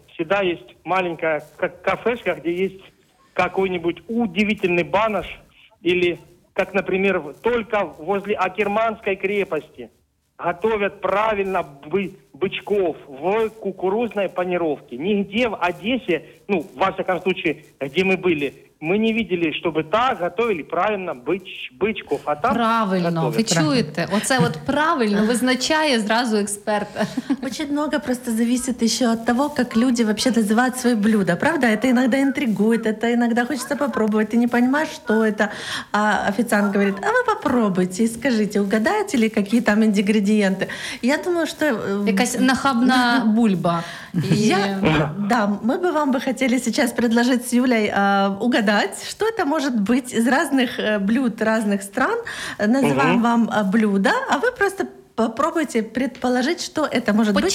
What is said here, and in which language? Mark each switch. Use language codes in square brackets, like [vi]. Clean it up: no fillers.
[ru] Всегда есть маленькая кафешка, где есть какой-нибудь удивительный банаш, или, как, например, только возле Акерманской крепости готовят правильно бычков в кукурузной панировке. Нигде в Одессе, ну, во всяком случае, где мы были, мы не видели, чтобы так готовили правильно бычков. А там правильно, готовят. Вы чуете? [uk] Оце от правильно визначає зразу експерта. Дуже багато просто зависить ще від того, як люди [ru] вообще [uk] називають своє блюдо. Правда? Це іноді інтригує, це іноді хочеться спробувати. Ти не розумієш, що це. А офіціант говорить, а ви спробуйте і скажіть, угадаєте ли, які там інгредієнти? Я думаю, що... Якась нахабна бульба. [ru] Да, мы бы вам бы хотели сейчас предложить с Юлей угадать, что это может быть из разных блюд разных стран. Называем вам блюдо, а вы просто попробуйте предположить, что это может по быть,